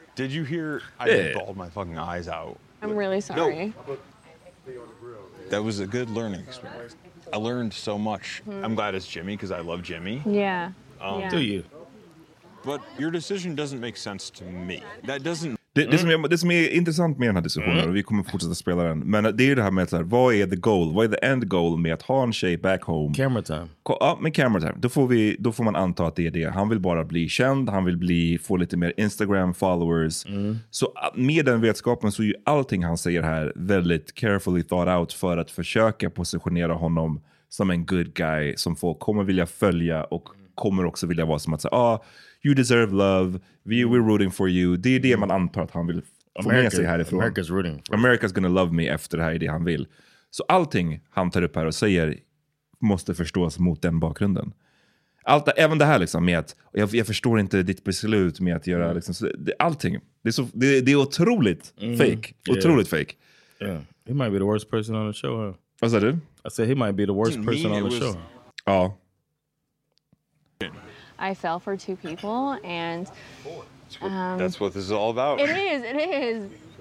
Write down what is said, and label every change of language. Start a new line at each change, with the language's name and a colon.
English: Did you hear I bawled my fucking eyes out? I'm really sorry. No. That was a good learning experience. I learned so much. Mm-hmm. I'm glad it's Jimmy because I love Jimmy. Yeah. Do you? But your decision doesn't make sense to me. That doesn't...
Swedish: Det som är intressant med den här diskussionen, och vi kommer fortsätta spela den, men det är det här med att vad är
English: the goal?
Swedish: Vad är
English: the end goal
Swedish: med att ha en tjej
English: back home? Camera time.
Swedish: Ja, med
English: camera time.
Swedish: Då får man anta att det är det. Han vill bara bli känd, han vill få lite mer
English: Instagram followers. Mm.
Swedish: Så med den vetskapen så är ju allting han säger här väldigt
English: carefully thought out
Swedish: för att försöka positionera honom som en
English: good guy
Swedish: som folk kommer vilja följa och kommer också vilja vara som att säga,
English: you deserve love. We're rooting for you.
Swedish: Det är det man antar att han vill få med sig härifrån.
English: America's rooting. America's gonna love me
Swedish: efter det här är det han vill. Så allting han tar upp här och säger måste förstås mot den bakgrunden. Även det här liksom med att jag förstår inte ditt beslut med att göra liksom, så allting. Det är otroligt fake. Otroligt fake.
English: Yeah. He might be the worst person on the show.
Swedish: Vad sa du?
English: I said he might be the worst person on the show.
Swedish: Ja.
English: I fell for two people, and that's what this is all about. It is.